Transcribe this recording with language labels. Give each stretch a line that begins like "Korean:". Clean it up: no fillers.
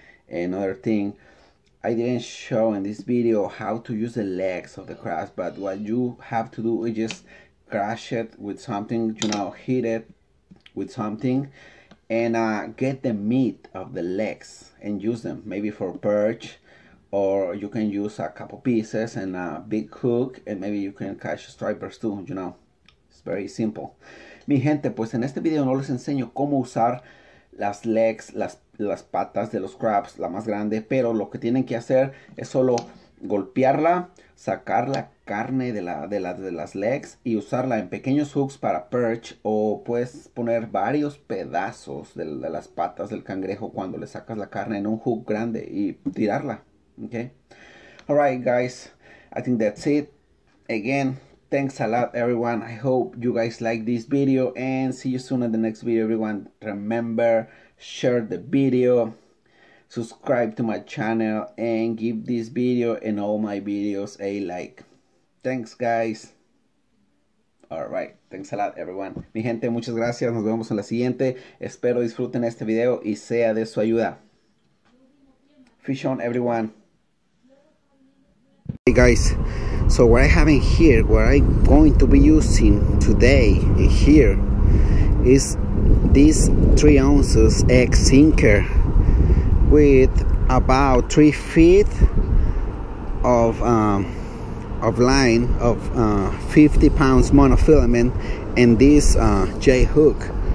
English: Another thing, I didn't show in this video how to use the legs of the crab, but what you have to do is just crush it with something, you know, hit it with something and get the meat of the legs and use them maybe for perch. Or you can use a couple pieces and a big hook, and maybe you can catch stripers too, you know. It's very simple.
Spanish: Mi gente, pues en este video no les enseño cómo usar las legs, las patas de los crabs, la más grande. Pero lo que tienen que hacer es solo golpearla, sacar la carne de las legs y usarla en pequeños hooks para perch. O puedes poner varios pedazos de las patas del cangrejo cuando le sacas la carne en un hook grande y tirarla.
English: Okay, all right guys, I think that's it. Again, thanks a lot everyone. I hope you guys like this video and see you soon in the next video everyone. Remember, share the video, subscribe to my channel and give this video and all my videos a like. Thanks guys. All right, thanks a lot everyone.
Spanish: Mi gente, muchas gracias, nos vemos en la siguiente. Espero disfruten este video y sea de su ayuda.
English: Fish on everyone. Hey guys, so what I have in here, what I'm going to be using today in here is this 3 ounces egg sinker with about 3 feet of line of 50 pounds monofilament and this J hook.